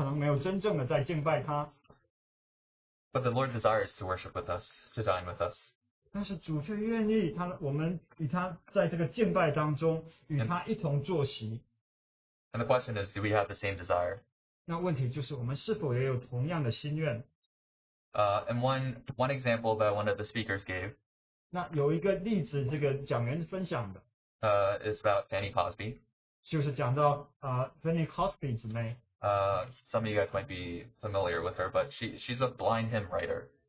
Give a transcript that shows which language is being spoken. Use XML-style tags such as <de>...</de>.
<zh>每一周我们来领饼杯，但是我们可能没有真正的在敬拜他。</zh> <en>But the Lord desires to worship with us, to dine with us.</en> <zh>但是主却愿意他，我们与他在这个敬拜当中与他一同坐席。</zh> <en>And the question is, do we have the same desire?</en> <zh>那问题就是我们是否也有同样的心愿？</zh> <en>And one example that one of the speakers gave.</en> <zh>那有一个例子，这个讲员分享的。</zh> <en>Is about Fanny Cosby.</en> <zh>就是讲到 Fanny Cosby 姊妹。</zh> <en>Some of you guys might be familiar with her, but she's a blind hymn writer.</en>